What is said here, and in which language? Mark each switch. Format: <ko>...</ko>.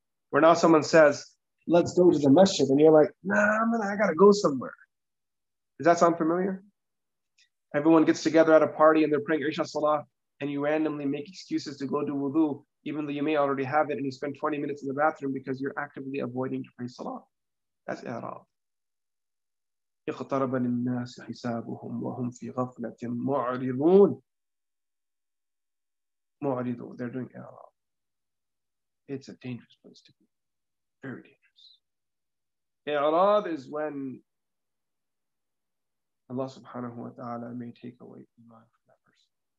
<en>Where now someone says, let's go to the masjid, and you're like, I gotta go somewhere. Does that sound familiar? Everyone gets together at a party and they're praying Isha Salah, and you randomly make excuses to go do wudu, even though you may already have it, and you spend 20 minutes in the bathroom because you're actively avoiding to pray Salah. That's i'rad.</en> <ar>اقترب للناس حسابهم وهم في غفلة معرضون.</ar> <en>معرضون, they're doing i'rad. It's a dangerous place to be. Very dangerous. I'rad is when Allah subhanahu wa ta'ala may take away iman from that person.</en>